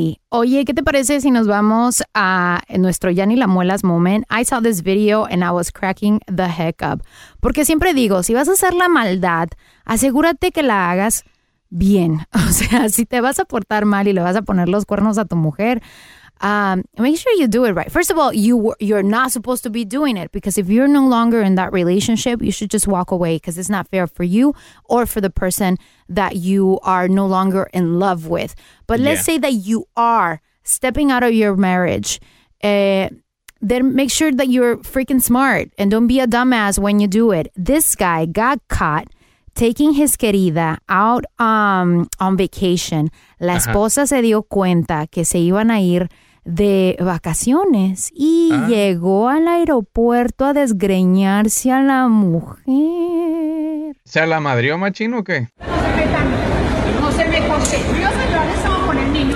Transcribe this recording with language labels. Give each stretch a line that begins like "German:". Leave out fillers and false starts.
Spanish: Oye, ¿qué te parece si nos vamos a nuestro Yanni La Muelas moment?
English: I saw this video and I was cracking the heck up.
Spanish: Porque siempre digo, si vas a hacer la maldad, asegúrate que la hagas bien. O sea, si te vas a portar mal y le vas a poner los cuernos a tu mujer,
English: make sure you do it right. First of all, you're not supposed to be doing it because if you're no longer in that relationship, you should just walk away because it's not fair for you or for the person that you are no longer in love with. But let's say that you are stepping out of your marriage, then make sure that you're freaking smart and don't be a dumbass when you do it. This guy got caught taking his querida out on vacation.
Spanish: La esposa se dio cuenta que se iban a ir de vacaciones y llegó al aeropuerto a desgreñarse a la mujer. ¿Se la madrió machín o qué? No se metan. No se me coste. Yo se lo hago con el niño.